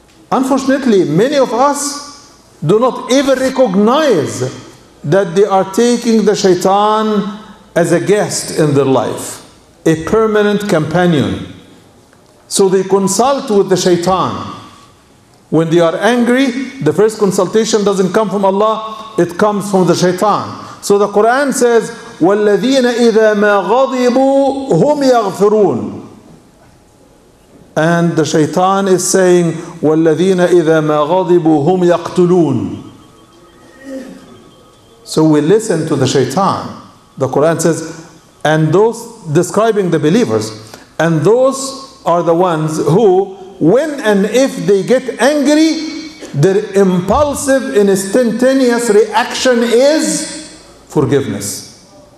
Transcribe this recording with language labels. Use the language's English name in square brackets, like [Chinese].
[English] Unfortunately, many of us do not even recognize that they are taking the shaitan as a guest in their life, a permanent companion. So they consult with the shaitan. When they are angry, the first consultation doesn't come from Allah, it comes from the shaitan. So the Quran says, [Arabic] وَالَّذِينَ إِذَا مَا غَضِبُوا هُمْ يَغْفِرُونَ. [English] And the shaitan is saying, [Arabic] وَالَّذِينَ إِذَا مَا غَضِبُوا هُمْ يَقْتُلُونَ. [English] So we listen to the shaitan. The Quran says, and those, describing the believers, and those are the ones who, when and if they get angry, their impulsive and instantaneous reaction is forgiveness.